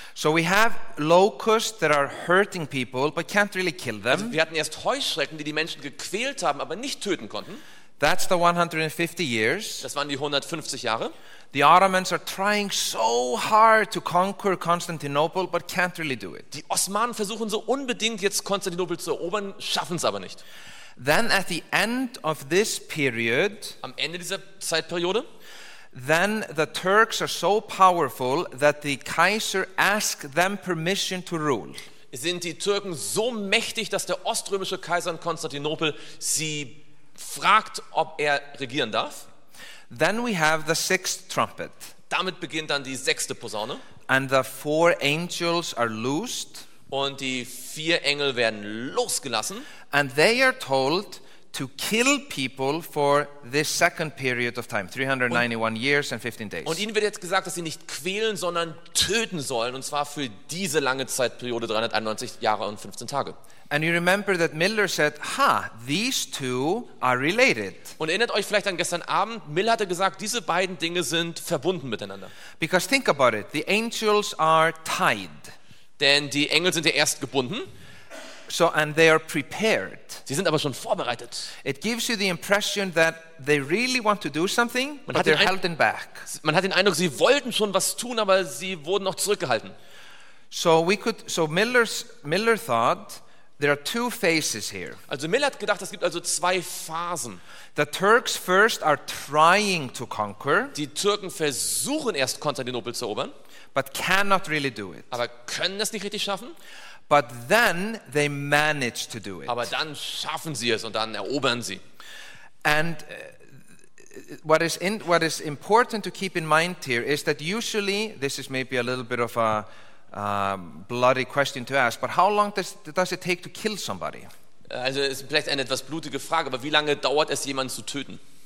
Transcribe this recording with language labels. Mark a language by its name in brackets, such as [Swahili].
[English] So we have locusts that are hurting people but can't really kill them. [German] Also, wir hatten erst Heuschrecken, die die Menschen gequält haben, aber nicht töten konnten. [English] That's the 150 years. [German] Das waren die 150 Jahre. [English] The Ottomans are trying so hard to conquer Constantinople but can't really do it. [German] Die Osmanen versuchen so unbedingt jetzt Konstantinopel zu erobern, schaffen es aber nicht. [English] Then at the end of this period, [German] am Ende dieser Zeitperiode, [English] then the Turks are so powerful that the Kaiser asks them permission to rule. [German] Sind die Türken so mächtig, dass der oströmische Kaiser in Konstantinopel sie fragt, ob er regieren darf? [English] Then we have the sixth trumpet. [German] Damit beginnt dann die sechste Posaune. [English] And the four angels are loosed. [German] Und die vier Engel werden losgelassen. [English] And they are told to kill people for this second period of time, 391 years and 15 days. [German] Und ihnen wird jetzt gesagt, dass sie nicht quälen, sondern töten sollen, und zwar für diese lange Zeitperiode, 391 Jahre und 15 Tage. [English] And you remember that Miller said, ha, these two are related. [German] Und erinnert euch vielleicht an gestern Abend, Miller hatte gesagt, diese beiden Dinge sind verbunden miteinander. [English] Because think about it, the angels are tied. [German] Denn die Engel sind ja erst gebunden. [English] So, and they are prepared. [German] Sie sind aber schon vorbereitet. [English] It gives you the impression that they really want to do something, [German] man [English] but they're held in back. [German] Man hat den Eindruck, sie wollten schon was tun, aber sie wurden noch zurückgehalten. [English] Miller thought there are two phases here. [German] Also Miller hat gedacht, es gibt also zwei Phasen. [English] The Turks first are trying to conquer. [German] Die Türken versuchen erst Konstantinopel zu erobern, [English] but cannot really do it. [German] Aber können es nicht richtig schaffen. [English] But then they manage to do it. [German] Aber dann schaffen sie es und dann erobern sie. [English] And what is important to keep in mind here is that usually this is maybe a little bit of a bloody question to ask, but how long does it take to kill somebody? [German] Also es ist vielleicht eine etwas blutige Frage, aber wie lange dauert es, jemanden zu töten?